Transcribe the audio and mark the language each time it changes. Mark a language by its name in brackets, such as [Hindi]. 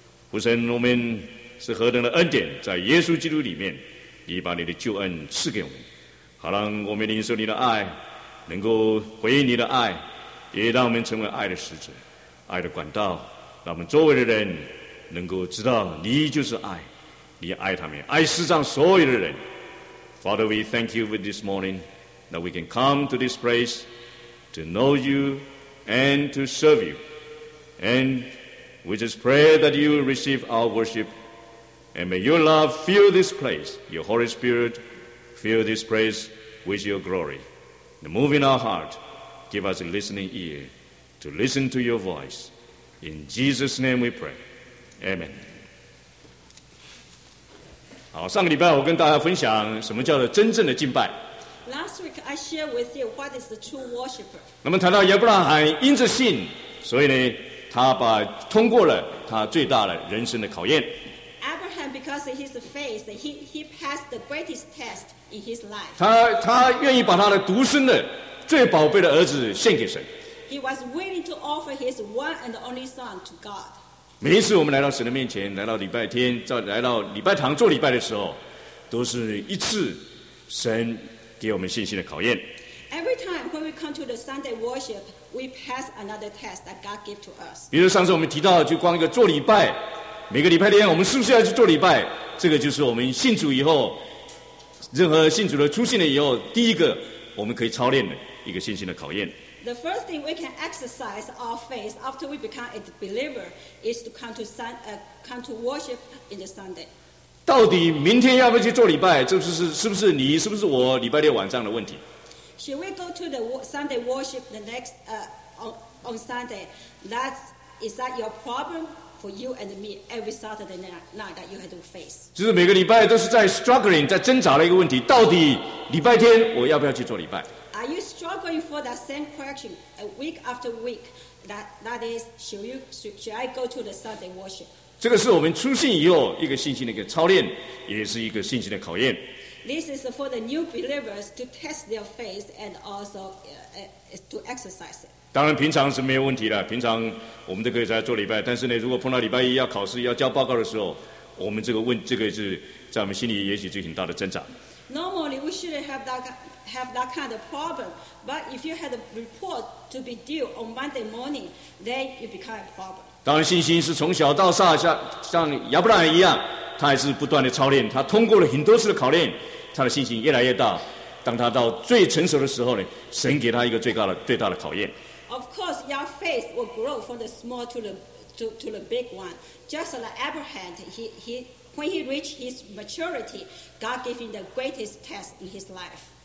[Chinese] 父神，我们是何等的恩典，在耶稣基督里面，你把你的救恩赐给我们，好让我们领受你的爱，能够回应你的爱，也让我们成为爱的使者，爱的管道，让我们周围的人能够知道你就是爱，你爱他们，爱世上所有的人。 [English] Father, we thank you for this morning that we can come to this place to know youAnd to serve you. And we just pray that you receive our worship. And may your love fill this place. Your Holy Spirit fill this place with your glory. And move in our heart. Give us a listening ear to listen to your voice. In Jesus' name we pray. Amen. [Chinese] 好，上个礼拜我跟大家分享什么叫做真正的敬拜。 [English] Last week, I shared with you what is the true worshiper. [Chinese] 那么谈到亚伯拉罕因着信，所以呢，他把通过了他最大的人生的考验。 [English] Abraham, because of his faith, he passed the greatest test in his life. [Chinese] 他愿意把他的独生的最宝贝的儿子献给神。 [English] He was willing to offer his one and only son to God. [Chinese] 每一次我们来到神的面前，来到礼拜天，来到礼拜堂做礼拜的时候，都是一次神给我们信心的考验。 [English] Every time when we come to the Sunday worship, we pass another test that God gave to us. [Chinese] 比如上次我们提到，就光一个做礼拜，每个礼拜天我们是不是要去做礼拜？这个就是我们信主以后，任何信主的出现了以后，第一个我们可以操练的一个信心的考验。 [English] The first thing we can exercise our faith after we become a believer is to come to sun, come to worship in the Sunday. [Chinese] 到底明天要不要去做礼拜？这不是是不是你是不是我礼拜六晚上的问题？ [English] Should we go to the Sunday worship the next on Sunday? That is that your problem for you and me every Saturday night that you have to face? [Chinese] 就是每个礼拜都是在 struggling, 在挣扎的一个问题。到底礼拜天我要不要去做礼拜 [English] ？Are you struggling for that same question week after week? That is, should I go to the Sunday worship? [Chinese] 这个是我们出信以后一个信心的一个操练，也是一个信心的考验。 [English] This is for the new believers to test their faith and also to exercise it. [Chinese] 当然平常是没有问题的，平常我们都可以在做礼拜，但是呢，如果碰到礼拜一要考试要交报告的时候，我们这个问这个是在我们心里也许就很大的挣扎。 [English] Normally we shouldn't have that kind of problem, but if you had a report to be due on Monday morning, then you become a problem. [Chinese] 当然信心是从小到大，像亚伯拉罕一样，他还是不断的操练，他通过了很多次的考验，他的信心越来越大。当他到最成熟的时候呢，神给他一个最大的考验。 [English] Of course, your faith will grow from the small to the big one. Just like Abraham, when he reached his maturity, God gave him the greatest test in his life.